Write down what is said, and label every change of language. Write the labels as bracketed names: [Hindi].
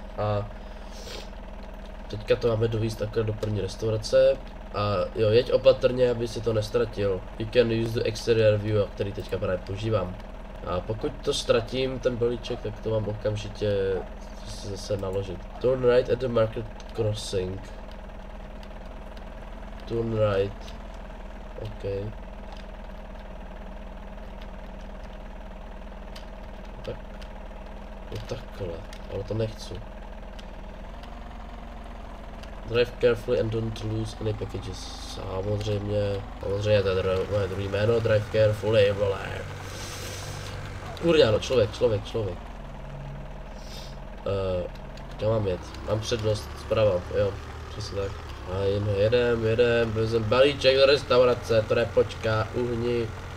[Czech] A teďka to máme dovíst takhle do první restaurace. A jo, jeď opatrně, aby si to nestratil. [English] You can use the exterior view, [Czech] který teďka právě používám. A pokud to ztratím, ten balíček, tak to mám okamžitě zase naložit. [English] Turn right at the market crossing. Turn right. OK. [Czech] No takhle, ale to nechci. [English] Drive carefully and don't lose any packages. [Czech] Samozřejmě, samozřejmě to je moje druhé jméno, [English] drive carefully, [Czech] vole. Kurňa, no člověk, člověk, člověk. Já mám jet, mám přednost zprava, jo, přesně tak. A jen jedem, jedem, vezem balíček do restaurace, to nepočká, uhni.